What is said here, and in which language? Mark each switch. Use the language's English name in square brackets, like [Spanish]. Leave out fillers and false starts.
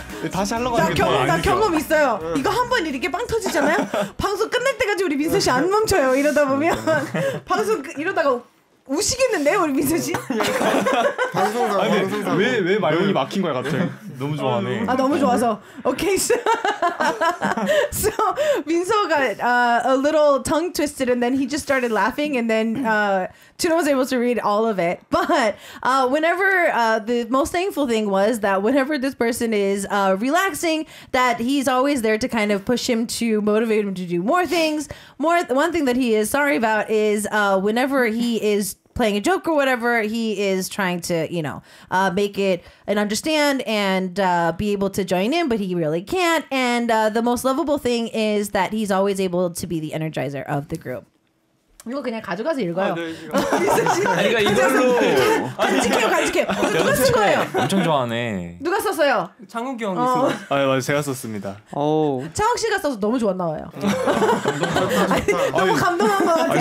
[Korean] 다시 하려고 하는 거 아니죠? 나 경험 있어요. 이거 한번 이렇게 빵 터지잖아요. 방송 끝날 때까지 우리 민서 씨 안 멈춰요. 이러다 보면 방송 이러다가 우시겠는데 우리 민서 씨? 방송사 방송사 왜 말문이 막힌 거야 갑자기? 너무 좋아하네. 아 너무 좋아서. 오케이. [English] So 민서가 a little tongue twisted and then he just started laughing and then Tuna was able to read all of it. But whenever the most thankful thing was that whenever this person is relaxing, that he's always there to kind of push him to motivate him to do more things. More one thing that he is sorry about is whenever he is playing a joke or whatever, he is trying to, you know, make it and understand and be able to join in, but he really can't. And the most lovable thing is that he's always able to be the energizer of the group. [Korean] 이거 그냥 가져가서 읽어요. 아니가 이걸로 간직해요, 간직해요. 누가 쓴 거예요? 엄청 좋아하네. 누가 썼어요? 장욱이 형이 썼어요. 아, 맞아, 제가 썼습니다. 오. 창욱 씨가 써서 너무 좋았나 봐요. 너무 감동한 거 같아요.